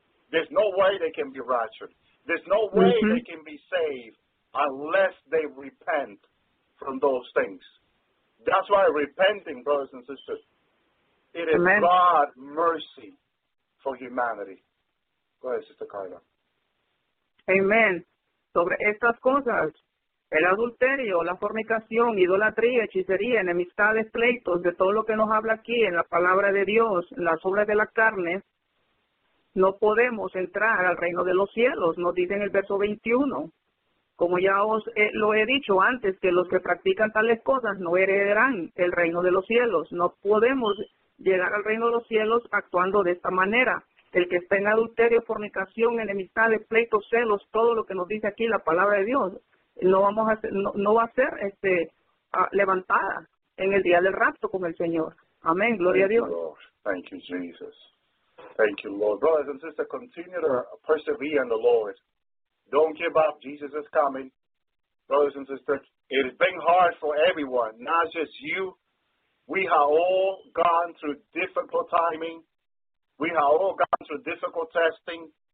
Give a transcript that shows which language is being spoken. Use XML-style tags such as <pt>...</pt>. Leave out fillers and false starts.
<en>There's no way they can be raptured. There's no way they can be saved unless they repent from those things. That's why repenting, brothers and sisters, it is God's mercy for humanity. Go ahead, Sister Carla. Amen.</en> <es>Sobre estas cosas, el adulterio, la fornicación, idolatría, hechicería, enemistades, pleitos, de todo lo que nos habla aquí en la palabra de Dios, en las obras de la carne, no podemos entrar al reino de los cielos, nos dice en el verso 21. Como ya os lo he dicho antes, que los que practican tales cosas no heredarán el reino de los cielos. No podemos llegar al reino de los cielos actuando de esta manera. El que está en adulterio, fornicación, enemistades, pleitos, celos, todo lo que nos dice aquí la palabra de Dios, no va a ser levantada en el día del rapto con el Señor. Amén. Gloria</es> <en>Thank</en> <es>a Dios.</es> <en>You, Lord. Thank you, Jesus. Thank you, Lord. Brothers and sisters, continue to persevere in the Lord. Don't give up. Jesus is coming. Brothers and sisters, it's been hard for everyone, not just you. We have all gone through difficult timing. We have all gone through difficult testing.</en>